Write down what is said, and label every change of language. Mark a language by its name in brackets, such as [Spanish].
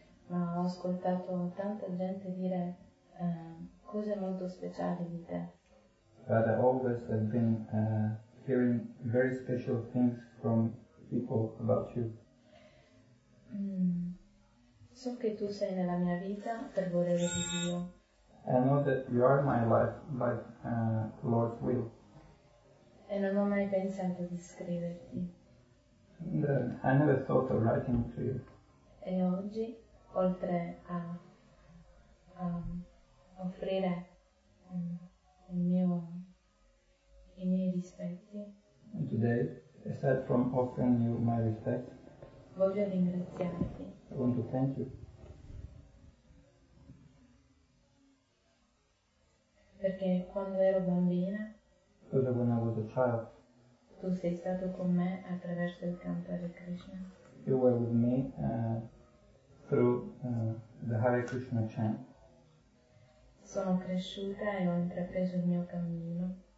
[Italian] Ma ho ascoltato tanta gente dire cose molto speciali di te. [English] But I always have been hearing very special things from people about you. [Italian] So che tu sei nella mia vita per volere di Dio. [English] I know that you are my life by the Lord's will. [Italian] E non ho mai pensato di scriverti. [English] I never thought of writing to you. [Italian] E oggi, oltre a offrire i miei rispetti. [English] And today, aside from offering you my respect, [Italian] voglio ringraziarti. [English] I want to thank you. [Italian] Perché quando ero bambina, [English] because when I was a child, [Italian] tu sei stato con me attraverso il canto Hare Krishna. [English] You were with me through the Hare Krishna chant. [Italian] Sono cresciuta e ho intrapreso il mio cammino.